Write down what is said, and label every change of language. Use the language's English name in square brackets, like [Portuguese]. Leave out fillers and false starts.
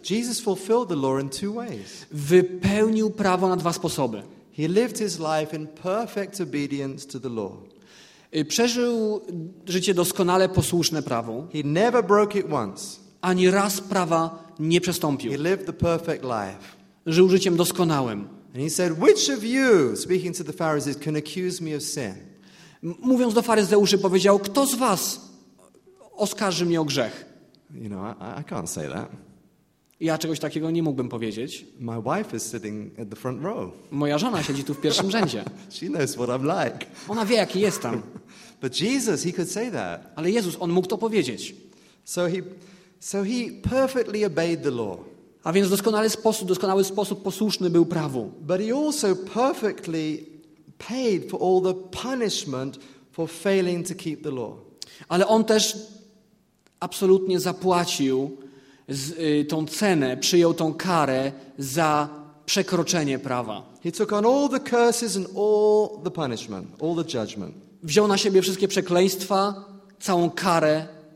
[English] Jesus fulfilled the law in two ways. [Polish] Wypełnił prawo na dwa sposoby. [English] He lived his life in perfect obedience to the law. [Polish] Przeżył życie doskonale posłuszne prawu. [English] He never broke it once. [Polish] Ani raz prawa nie przestąpił. [English] He lived the perfect life. [Polish] Żył życiem doskonałym. [English] And he said, "Which of you, speaking to the Pharisees, can accuse me of sin?" [Polish] Mówiąc do faryzeuszy, powiedział, "Kto z was oskarży mnie o grzech?" [English] You know, I can't say that. [Polish] Ja czegoś takiego nie mógłbym powiedzieć. [English] My wife is sitting at the front row. [Polish] Moja żona siedzi tu w pierwszym rzędzie. [English] She knows what I'm like. [Polish] Ona wie, jaki jestem. [English] But Jesus, he could say that. [Polish] Ale Jezus, on mógł to powiedzieć. [English] So he perfectly obeyed the law. [Polish] A więc doskonały sposób posłuszny był prawu. [English] But he also perfectly paid for all the punishment for failing to keep the law. [Polish] Ale on też absolutnie zapłacił tą cenę, przyjął tą karę za przekroczenie prawa. [English] He took on all the curses and all the punishment, all the judgment. [Polish] Wziął na siebie wszystkie przekleństwa, całą karę.